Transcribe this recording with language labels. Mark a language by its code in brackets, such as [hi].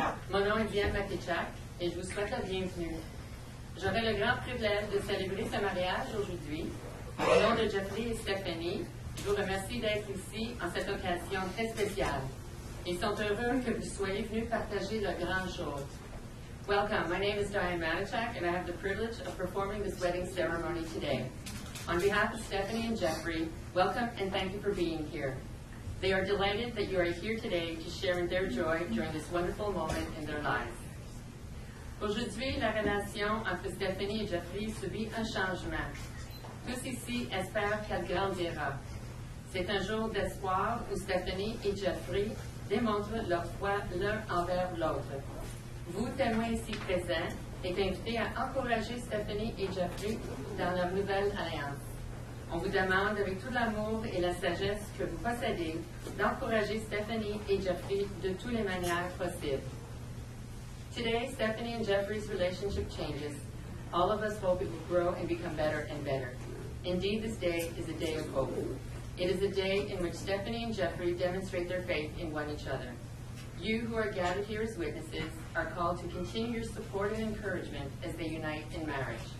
[fr] Mon nom est Diane Matichak et je vous souhaite la bienvenue. J'aurai le grand privilège de célébrer ce mariage aujourd'hui. Au nom de Geoffré et Stéphanie, je vous remercie d'être ici en cette occasion très spéciale. Ils sont heureux que vous soyez venus partager leur grande chose. [en] Welcome. My name is Diane Matichak and I have the privilege of performing this wedding ceremony today. On behalf of Stéphanie and Geoffré, welcome and thank you for being here. They are delighted that you are here today to share in their joy during this wonderful moment in their lives. [fr] Aujourd'hui, la relation entre Stéphanie et Geoffré subit un changement. Tous ici espèrent qu'elle grandira. C'est un jour d'espoir où Stéphanie et Geoffré démontrent leur foi l'un envers l'autre. Vous, témoins ici présents, êtes invités à encourager Stéphanie et Geoffré dans leur nouvelle alliance. On vous demande, avec tout l'amour et la sagesse que vous possédez, d'encourager Stéphanie et Geoffré de toutes les manières possibles. [en] Today, Stéphanie and Geoffrey's relationship changes. All of us hope it will grow and become better and better. Indeed, this day is a day of hope. It is a day in which Stéphanie and Geoffré demonstrate their faith in one another. You who are gathered here as witnesses are called to continue your support and encouragement as they unite in marriage.